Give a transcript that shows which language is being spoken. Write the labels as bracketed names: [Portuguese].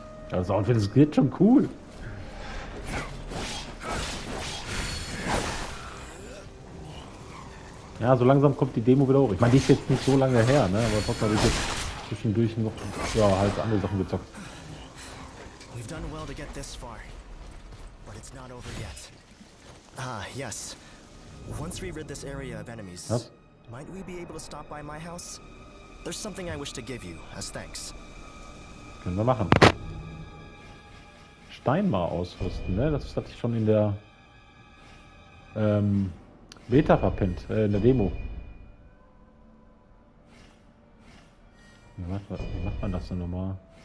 [German] Das Outfit ist jetzt schon cool. Ja, so langsam kommt die Demo wieder hoch. Ich meine, die ist jetzt nicht so lange her, ne? Aber trotzdem habe ich jetzt zwischendurch noch ja, halt andere Sachen gezockt. [English] We've done well to get this far. But it's not over yet. Ah, yes. Once we rid this area of enemies, Might we be able to stop by my house? There's something I wish to give you as thanks. [German] Können wir machen. Steinmar ausrüsten, ne? Das hatte ich schon in der Beta verpennt, in der Demo. Wie macht man das denn nochmal?